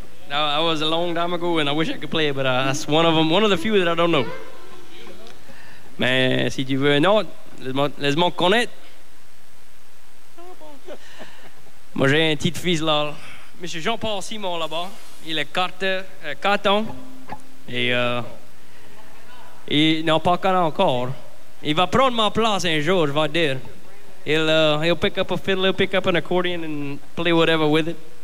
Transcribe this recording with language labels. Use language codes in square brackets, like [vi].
[en] Now, that was a long time ago, and I wish I could play it, but that's one of them, one of the few that I don't know. [fr] Mais si tu veux un autre, laisse-moi connaître. Moi, j'ai un petit fils là, Monsieur Jean-Paul Simon là-bas. Il est 4 ans. Et non, pas 4 ans encore. Il va prendre ma place un jour, je vais dire. [en] He'll pick up a fiddle, he'll pick up an accordion and play whatever with it.